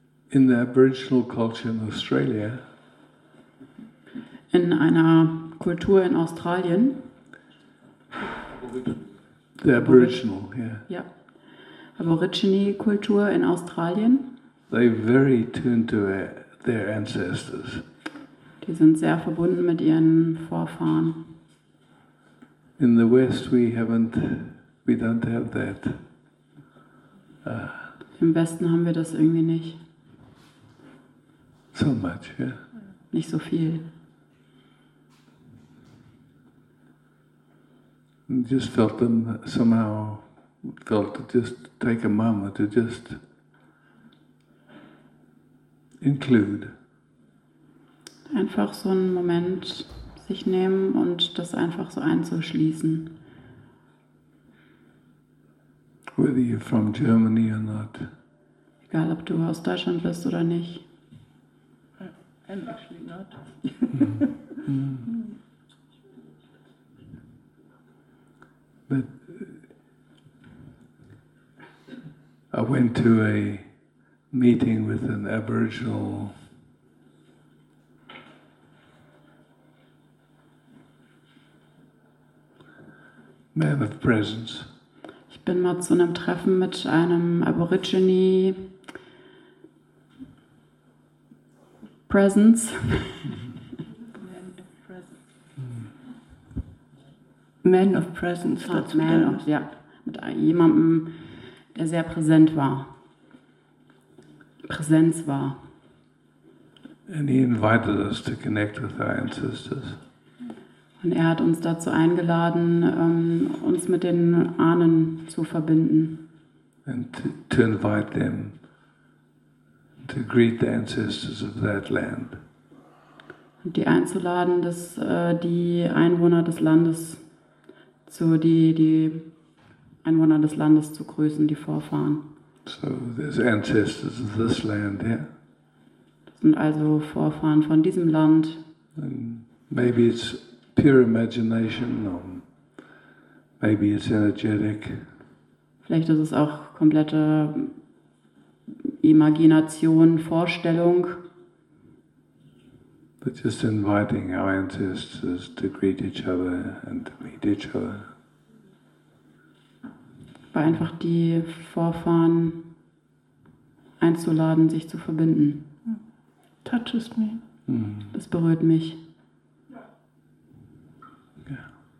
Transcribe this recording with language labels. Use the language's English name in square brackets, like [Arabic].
[English] In the Aboriginal culture in Australia. [German] In einer Kultur in Australien. [English] The Aboriginal, yeah. [German] Yeah. Aborigine-Kultur in Australien. [English] They very tuned to their ancestors. [German] Die sind sehr verbunden mit ihren Vorfahren. [English] In the West we don't have that. [German] Im Westen haben wir das irgendwie nicht. [English] So much, yeah. [German] Nicht so viel. [English] Just felt them somehow felt to just take a moment to just include. [German] Einfach so einen Moment sich nehmen und das einfach so einzuschließen. [English] Whether you're from Germany or not. [German] Egal, ob du aus Deutschland bist oder nicht. [English] I'm actually not. But I went to a meeting with an Aboriginal man of presence. [German] Ich bin mal zu einem Treffen mit einem Aborigine presence. [English] Man of presence, that's man of, [German] ja, mit jemandem, der sehr präsent war. Präsenz war. [English] And he invited us to connect with our ancestors. [German] Und er hat uns dazu eingeladen, uns mit den Ahnen zu verbinden. [English] And to invite them to greet the ancestors of that land. [German] Und die einzuladen, dass die Einwohner des Landes so die Einwohner des Landes zu grüßen, die Vorfahren. [English] So there's ancestors of this land, yeah? [German] Das sind also Vorfahren von diesem Land. [English] And maybe it's pure imagination, or maybe it's energetic. [German] Vielleicht ist es auch komplette Imagination, Vorstellung. [English] But just inviting our ancestors to greet each other and to meet each other. [German] War einfach die Vorfahren einzuladen, sich zu verbinden. [English] Touches me. [German] Das berührt mich. [English] Yeah.